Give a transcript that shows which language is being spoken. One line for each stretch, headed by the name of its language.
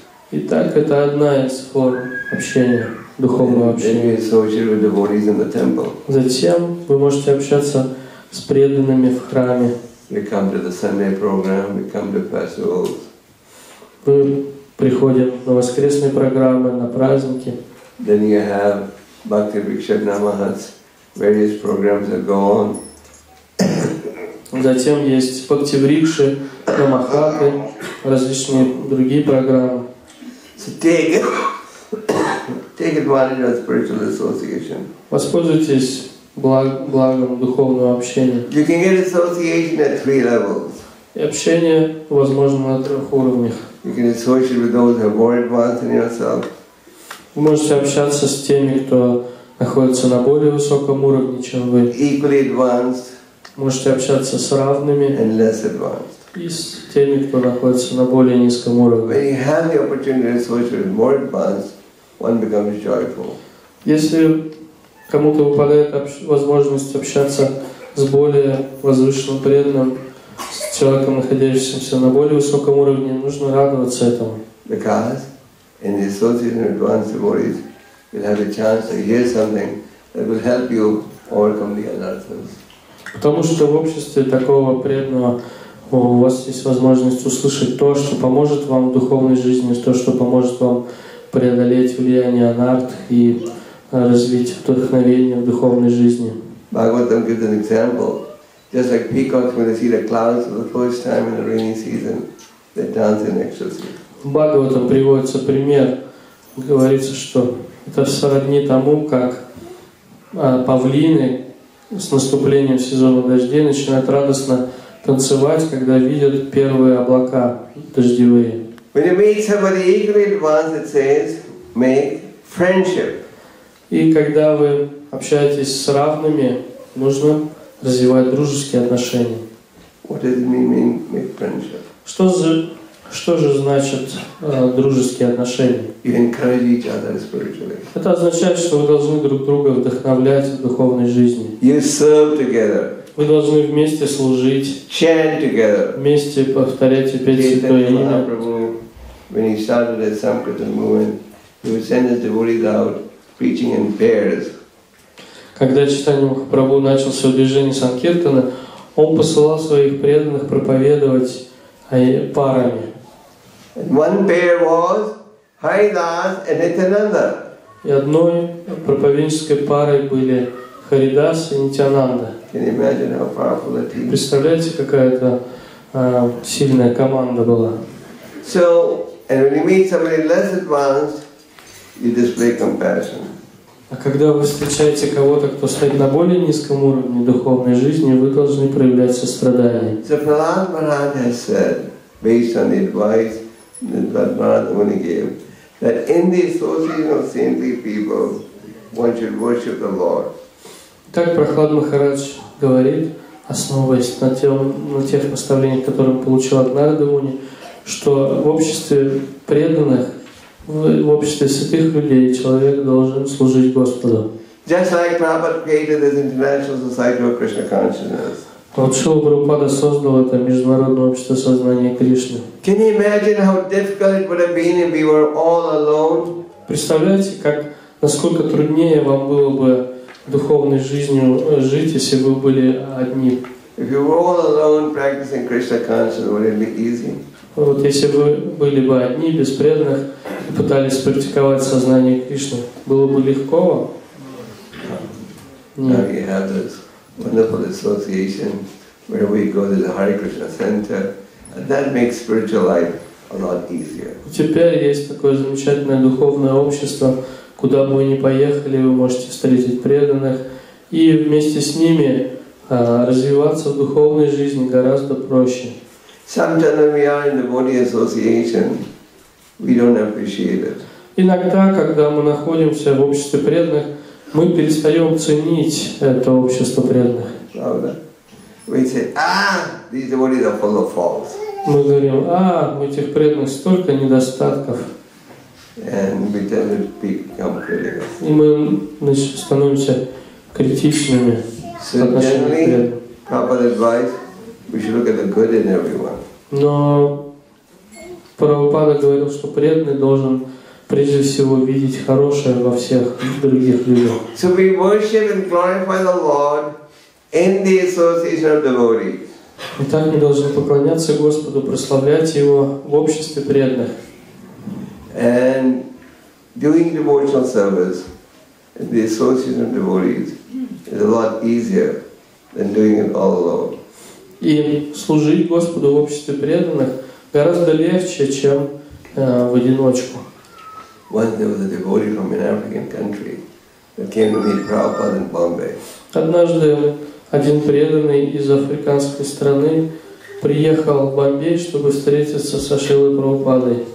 Russian: Итак, это одна из форм общения, духовного общения. Затем вы можете общаться с преданными в храме.
English: We come to the Sunday program, we come to festivals.
Russian: Мы приходим на воскресные программы, на праздники.
English: Then you have Bhakti Bhikshat Namahats, various programs that go on.
Russian: Затем есть Бхакти Брикши, Намахаты, различные другие программы.
English: So take advantage of spiritual association.
Russian: Воспользуйтесь благом духовного общения.
English: You can get association at three levels.
Russian: И общение возможно на трех уровнях.
English: You can associate with those who are more advanced than yourself.
Russian: Вы можете общаться с теми, кто находится на более высоком уровне, чем вы.
English: Equally advanced.
Russian: Можете общаться с равными.
English: And less advanced.
Russian: И с теми, кто находится на более низком уровне.
English: When you have the opportunity to associate with more advanced, one becomes joyful.
Russian: Если кому-то выпадает возможность общаться с более возвышенным преданным, с человеком, находящимся на более высоком уровне, нужно радоваться этому.
English: Because in the association of advanced devotees, you'll have a chance to hear something that will help you overcome the anarthas.
Russian: Потому что в обществе такого преданного у вас есть возможность услышать то, что поможет вам в духовной жизни, то, что поможет вам преодолеть влияние анарх и развить вдохновение в духовной жизни.
English: Bhagavatam gives an example. Just like peacocks when they see the clouds for the first time in the rainy season, they dance in ecstasy.
Russian: В Бхагаватам приводится пример. Говорится, что это сродни тому, как павлины с наступлением сезона дождей начинают радостно танцевать, когда видят первые облака дождевые.
English: When you meet somebody equally advanced, it says, make friendship.
Russian: И когда вы общаетесь с равными, нужно развивать дружеские отношения.
English: What does it mean, make friendship?
Russian: Что же значит дружеские отношения?
English: You encourage each other spiritually.
Russian: Это означает, что вы должны друг друга вдохновлять в духовной жизни.
English: You serve together.
Russian: Вы должны вместе служить.
English: Chant together.
Russian: Вместе повторять и петь святое имя.
English: When he started his Sankirtan movement, he would send his devotees out preaching in pairs.
Russian: Когда Чайтанья Махапрабху начал свое движение Санкиртана, он посылал своих преданных проповедовать парами.
English: And one pair was Haridas and Nityananda.
Russian: И одной проповеднической парой были Харидас и Нитянанда.
English: Can you imagine how powerful that team?
Russian: Представляете, какая это сильная команда была.
English: So, and when you meet somebody less advanced, you display compassion.
Russian: А когда вы встречаете кого-то, кто стоит на более низком уровне духовной жизни, вы должны проявлять сострадание.
English: So Prahlad Maharaj has said, based on the advice that Prahlad Maharaj only gave, that in the association of saintly people, one should worship the Lord.
Russian: Так Прахлад Махарадж говорит, основываясь на тех наставлениях, которые он получил от Нарада Муни, что в обществе преданных, в обществе святых людей человек должен служить Господу.
English: Just like Prabhupada created this International Society of Krishna Consciousness.
Russian: Вот Шрила Прабхупада создал это Международное общество сознания Кришны.
English: Can you imagine how difficult it would have been if we were all alone?
Russian: Представляете, как насколько труднее вам было бы духовной жизнью жить, если бы вы были одни?
English: If you were all alone practicing Krishna consciousness, would it be easy?
Russian: Вот если бы были бы одни, без преданных, и пытались практиковать сознание Кришны, было бы легко вам?
English: Now we have this wonderful association where we go to the Hare Krishna Center, and that makes spiritual life a lot easier.
Russian: Теперь есть такое замечательное духовное общество, куда бы вы ни поехали, вы можете встретить преданных, и вместе с ними развиваться в духовной жизни гораздо проще.
English: Sometimes when we are in the body association, we don't appreciate it.
Russian: Иногда, когда мы находимся в обществе преданных, мы перестаем ценить это общество преданных. Правда?
English: We say, these devotees are full of faults.
Russian: Мы говорим, у этих преданных столько недостатков.
English: And we tend to become critical.
Russian: И мы становимся критичными.
English: So generally, proper advice, we should look at the good in everyone.
Russian: Но Прабхупада говорил, что преданный должен прежде всего видеть хорошее во всех других людях.
English: So we worship and glorify the Lord in the association of devotees.
Russian: Итак, мы должны поклоняться Господу, прославлять Его в обществе преданных.
English: And doing devotional service in the association of devotees is a lot easier than doing it all alone.
Russian: И служить Господу в обществе преданных гораздо легче, чем в одиночку.
English: Once there was a devotee from an African country that came to meet Prabhupada in Bombay.
Russian: Однажды один преданный из африканской страны приехал в Бомбей, чтобы встретиться со Шрилой Прабхупадой.